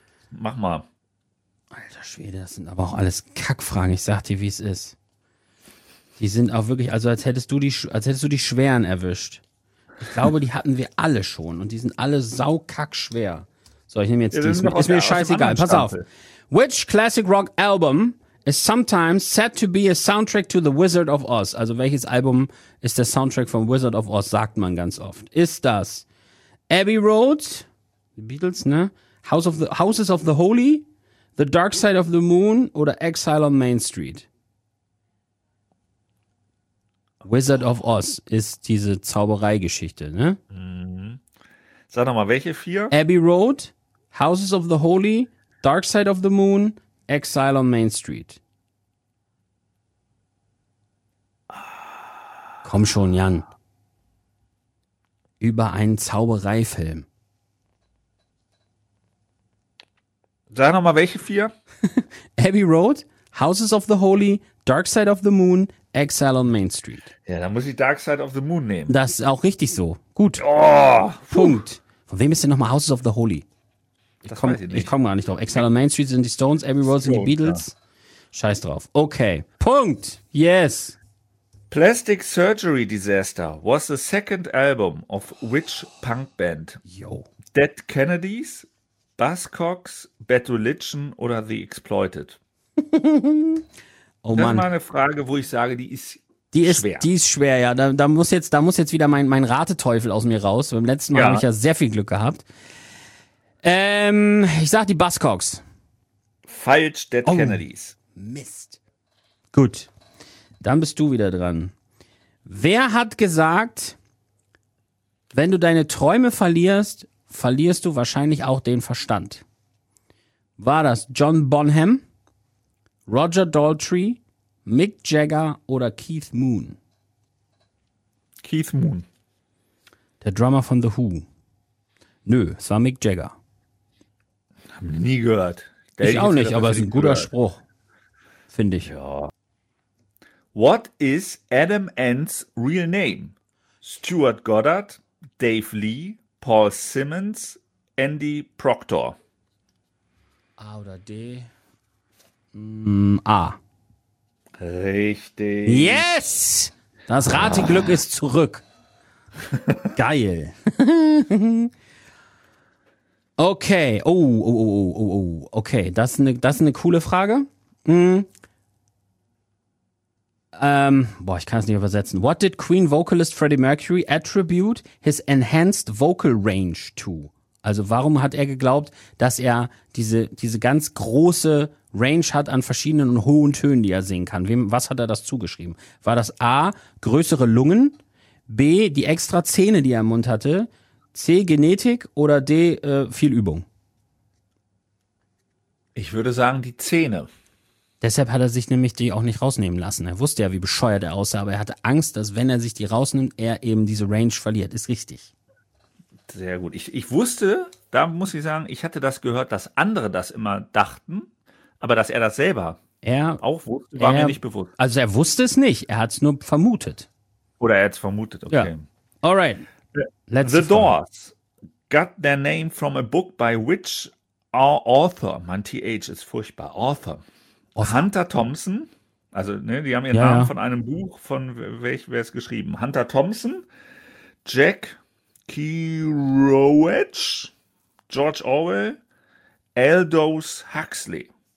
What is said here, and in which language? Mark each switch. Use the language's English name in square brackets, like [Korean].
[German] Mach mal. Alter Schwede, das sind aber auch alles Kackfragen. Ich sag dir, wie es ist. Die sind auch wirklich, also als hättest du die schweren erwischt. Ich glaube, die hatten wir alle schon und die sind alle saukackschwer. So, ich nehme jetzt ja, die. Ist mir scheißegal. Pass auf. [English] Which classic rock album is sometimes said to be a soundtrack to The Wizard of Oz? [German] Also welches Album ist der Soundtrack von Wizard of Oz, sagt man ganz oft. Ist das Abbey Road, die Beatles, ne? Houses of the Holy, The Dark Side of the Moon oder Exile on Main Street? Wizard of Oz ist diese Zaubereigeschichte, ne? Mhm. Sag doch mal, welche vier? Abbey Road, Houses of the Holy, Dark Side of the Moon, Exile on Main Street. Komm schon, Jan. Über einen Zaubereifilm. Sag nochmal, welche vier? Abbey Road, Houses of the Holy, Dark Side of the Moon, Exile on Main Street. Ja, dann muss ich Dark Side of the Moon nehmen. Das ist auch richtig so. Gut. Oh, Punkt. Puh. Von wem ist denn nochmal Houses of the Holy? Ich komm gar nicht drauf. Exile on Main Street sind die Stones, Abbey Road sind die Beatles. Ja. Scheiß drauf. Okay. Punkt. Yes. [English] Plastic Surgery Disaster was the second album of which punk band? Yo. [German] Dead Kennedys, Buzzcocks, Bad Religion oder The Exploited? Oh Mann. Das ist mal eine Frage, wo ich sage, die ist schwer, ja. Da muss jetzt wieder mein Rateteufel aus mir raus. Beim letzten Mal habe ich ja sehr viel Glück gehabt. Ich sag die Buzzcocks. Falsch, Dead Kennedys. Mist. Gut. Dann bist du wieder dran. Wer hat gesagt, wenn du deine Träume verlierst, verlierst du wahrscheinlich auch den Verstand? War das John Bonham, Roger Daltrey, Mick Jagger oder Keith Moon? Keith Moon. Der Drummer von The Who. Nö, es war Mick Jagger. Hab nie gehört. Ich auch nicht, aber es ist ein guter Spruch. Finde ich. Ja. [English] What is Adam Ant's real name? Stuart Goddard, Dave Lee, Paul Simmons, Andy Proctor. [German] A oder D? A. Richtig. [English] Yes! [German] Das Rateglück ist zurück. Geil. Okay. Oh. Okay, das ist eine coole Frage. Ich kann es nicht übersetzen. [English] What did Queen Vocalist Freddie Mercury attribute his enhanced vocal range to? [German] Also warum hat er geglaubt, dass er diese ganz große Range hat an verschiedenen und hohen Tönen, die er singen kann? Was hat er das zugeschrieben? War das A, größere Lungen, B, die extra Zähne, die er im Mund hatte, C, Genetik oder D, viel Übung? Ich würde sagen, die Zähne. Deshalb hat er sich nämlich die auch nicht rausnehmen lassen. Er wusste ja, wie bescheuert er aussah, aber er hatte Angst, dass wenn er sich die rausnimmt, er eben diese Range verliert. Ist richtig. Sehr gut. Ich wusste, da muss ich sagen, ich hatte das gehört, dass andere das immer dachten, aber dass er das selber auch wusste, war mir nicht bewusst. Also er wusste es nicht, er hat es nur vermutet. Oder er hat es vermutet, okay. Ja. [English] Alright. The Doors got their name from a book by which author? [German] Mein TH ist furchtbar. Author. Hunter Thompson, also ne, die haben ihren Namen von einem Buch, von welchem wäre es geschrieben? Hunter Thompson, Jack Kerouac, George Orwell, Aldous Huxley.